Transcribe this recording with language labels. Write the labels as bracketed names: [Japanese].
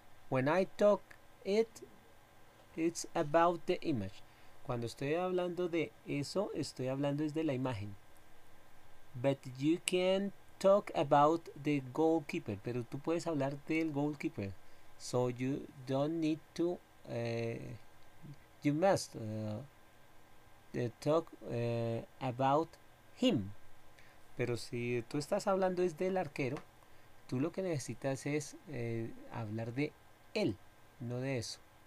[English] When I talk it, it's about the image. [Spanish] Cuando estoy hablando de eso, estoy hablando es de la imagen. [English] But you can talk about the goalkeeper, [Spanish] pero tú puedes hablar del goalkeeper. [English] So you don't need to, you must talk about him. [Spanish] Pero si tú estás hablando es del arquero, tú lo que necesitas es hablar de él, no de eso.